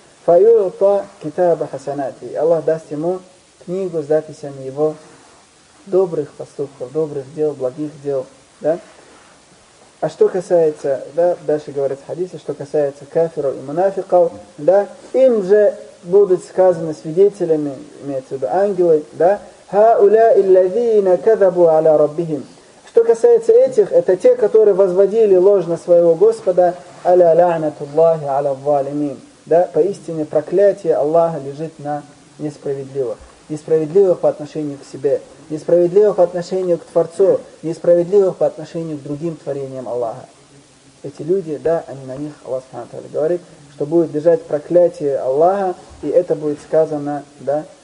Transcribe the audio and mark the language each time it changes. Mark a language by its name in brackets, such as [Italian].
[Arabic] Фа юта китаба хасанати. [Russian] Аллах даст ему книгу с записями его добрых поступков, добрых дел, благих дел, да? А что касается, да, дальше говорит в хадисе, что касается кафиров и мунафиков, да? Им же будут сказаны свидетелями, имеется в виду ангелы, да? [Arabic] هؤلاء الذين كذبوا على ربهم. [Russian] Что касается этих, это те, которые возводили ложно своего Господа. [Arabic] على لعنة الله على الظالمين. [Russian] Да, поистине проклятие Аллаха лежит на несправедливых. Несправедливых по отношению к себе, несправедливых по отношению к Творцу, несправедливых по отношению к другим творениям Аллаха. Эти люди, да, они на них Аллах Субхана ва Тааля говорит, что будет лежать проклятие Аллаха, и это будет сказано, да.